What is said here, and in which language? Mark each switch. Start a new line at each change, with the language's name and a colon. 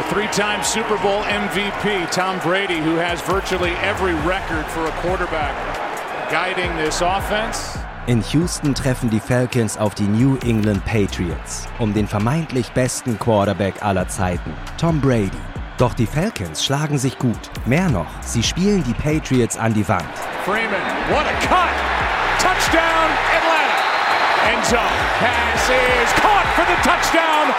English: The three-time Super Bowl MVP, Tom Brady, who has virtually every record for a quarterback guiding this offense.
German: In Houston treffen die Falcons auf die New England Patriots, um den vermeintlich besten Quarterback aller Zeiten, Tom Brady, Doch die Falcons schlagen sich gut. Mehr noch, sie spielen die Patriots an die Wand.
English: Freeman, what a cut! Touchdown, Atlanta! End zone, pass is caught for the touchdown!